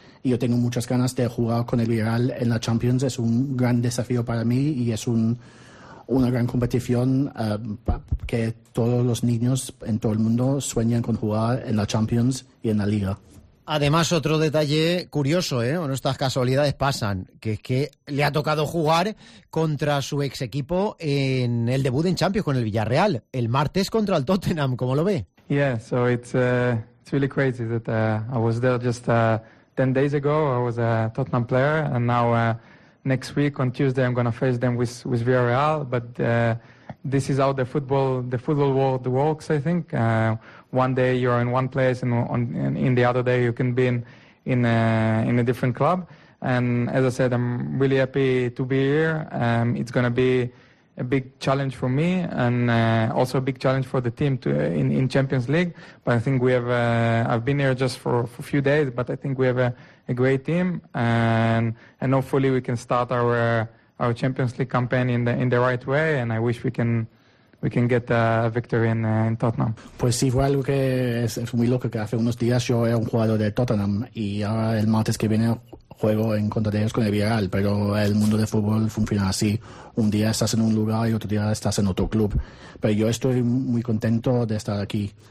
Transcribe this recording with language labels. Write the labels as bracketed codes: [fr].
[es] Y yo tengo muchas ganas de jugar con el Villarreal en la Champions. Es un gran desafío para mí y es una gran competición que todos los niños en todo el mundo sueñan con jugar en la Champions y en la Liga. Además, otro detalle curioso, ¿eh? Bueno, estas casualidades pasan, que es que le ha tocado jugar contra su ex equipo en el debut en Champions con el Villarreal, el martes contra el Tottenham, ¿cómo lo ve? [en] Yeah, so it's really crazy that I was there just 10 days ago. I was a Tottenham player, and now next week on Tuesday I'm going to face them with Villarreal, but this is how the football world works, I think. One day you're in one place, and in the other day you can be in a different club. And as I said, I'm really happy to be here. It's going to be a big challenge for me, and also a big challenge for the team in Champions League. But I think I've been here just for a few days, but I think we have a great team, and hopefully we can start our Champions League campaign in the right way. And I wish we can get a victory in Tottenham. [es] Pues sí, fue algo que es muy loco, que hace unos días yo era un jugador de Tottenham y ahora el martes que viene juego en contra de ellos con el Villarreal, pero el mundo del fútbol funciona así. Un día estás en un lugar y otro día estás en otro club. Pero yo estoy muy contento de estar aquí.